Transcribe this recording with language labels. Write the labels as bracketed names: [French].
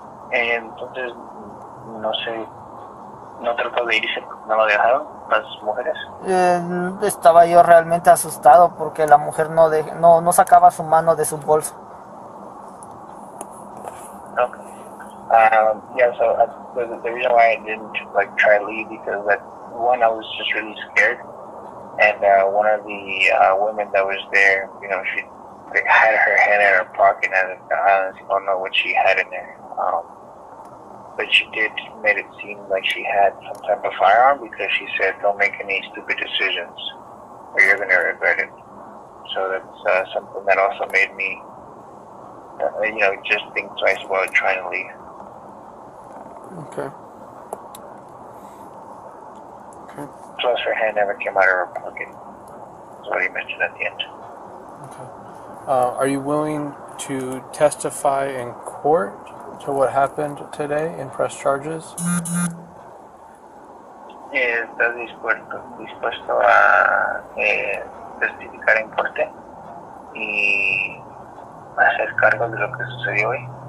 [Spanish] Entonces, no sé, ¿no trató de irse? ¿No lo dejaron las mujeres? Estaba yo realmente asustado porque la mujer no sacaba su mano de su bolso. [English] The reason why I didn't like try to leave because that one, I was just really scared. And one of the women that was there, you know, she had her hand in her pocket, and I honestly don't know what she had in there. But she did make it seem like she had some type of firearm because she said, don't make any stupid decisions or you're going to regret it. So that's something that also made me, you know, just think twice about trying to leave. Okay. Plus her hand never came out of her pocket. That's what he mentioned at the end. Okay. Are you willing to testify in court to what happened today and press charges? [Spanish] ¿Estás dispuesto a testificar en corte y hacer cargo de lo que sucedió hoy?